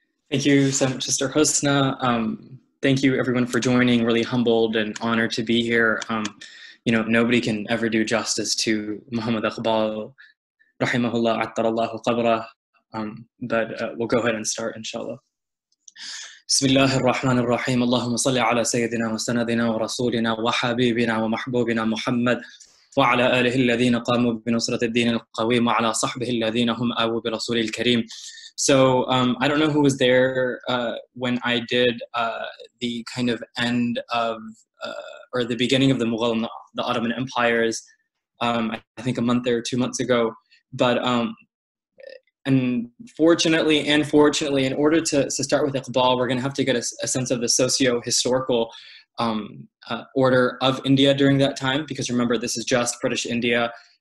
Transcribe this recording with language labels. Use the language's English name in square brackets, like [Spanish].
[English] Thank you so much, Sister Husna. Thank you everyone for joining. Really humbled and honored to be here. You know, nobody can ever do justice to Muhammad Iqbal, [Arabic] rahimahullah, attarallahu qabra. [English] We'll go ahead and start, inshallah. [Arabic] بسم الله الرحمن الرحيم اللهم صل على سيدنا وسندنا ورسولنا وحبيبنا ومحبوبنا محمد وعلى آله الذين قاموا بنصرة الدين القويم وعلى صحبه الذين هم آووا برسول الكريم. [English] So I don't know who was there when I did the kind of end of or the beginning of the Mughal and the Ottoman empires, I think a month or 2 months ago, but and fortunately and fortunately, in order to start with Iqbal, we're going to have to get a sense of the socio-historical order of India during that time, because remember, this is just British India.